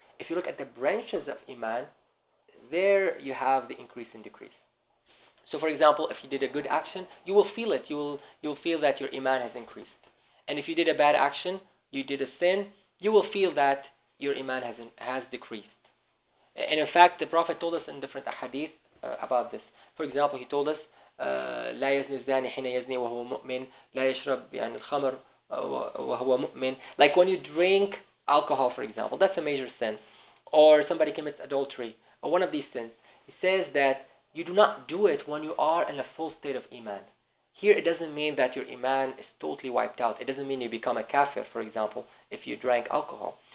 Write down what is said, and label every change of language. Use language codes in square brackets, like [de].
[en] If you look at the branches of iman, there you have the increase and decrease. So for example, if you did a good action, you will feel it. You will feel that your iman has increased. And if you did a bad action, you did a sin, you will feel that your iman has decreased. And in fact, the Prophet told us in different ahadith about this. For example, he told us, [ar] لا يزني الزاني حين يزني وهو مؤمن لا يشرب يعني الخمر وهو مؤمن. [en] Like when you drink alcohol, for example, that's a major sin. Or somebody commits adultery, or one of these sins. He says that you do not do it when you are in a full state of iman. Here it doesn't mean that your iman is totally wiped out. It doesn't mean you become a kafir, for example, if you drank alcohol.